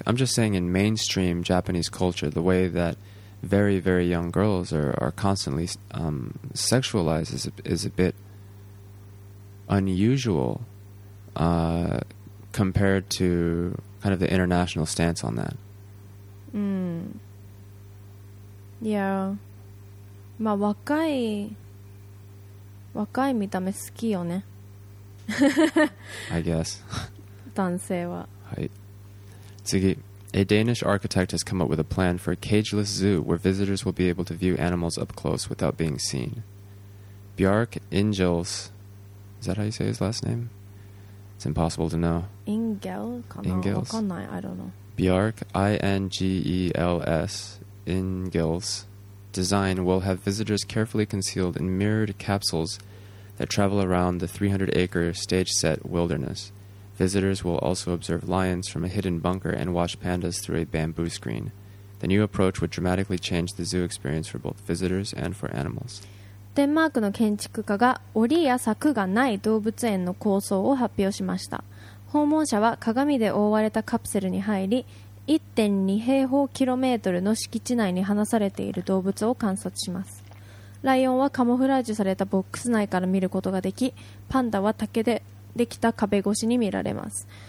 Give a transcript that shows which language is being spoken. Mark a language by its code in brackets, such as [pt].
[en] I'm just saying in mainstream Japanese culture, the way that very, very young girls are constantly sexualized is a bit... unusual compared to kind of the international stance on that. Yeah. [ja] まあ若い見た目好きよね。 [en] I guess. [ja] 男性は。はい。次。 [en] A Danish architect has come up with a plan for a cageless zoo where visitors will be able to view animals up close without being seen. Bjark Ingels... Is that how you say his last name? It's impossible to know. Ingel? Ingels? I don't know. Bjark, I-N-G-E-L-S, Ingels, design will have visitors carefully concealed in mirrored capsules that travel around the 300-acre stage set wilderness. Visitors will also observe lions from a hidden bunker and watch pandas through a bamboo screen. The new approach would dramatically change the zoo experience for both visitors and for animals. [ja] デンマークの建築家が檻や柵がない動物園の構想を発表しました。訪問者は鏡で覆われたカプセルに入り、1.2 平方キロメートルの敷地内に放されている動物を観察します。ライオンはカモフラージュされたボックス内から見ることができ、パンダは竹でできた壁越しに見られます。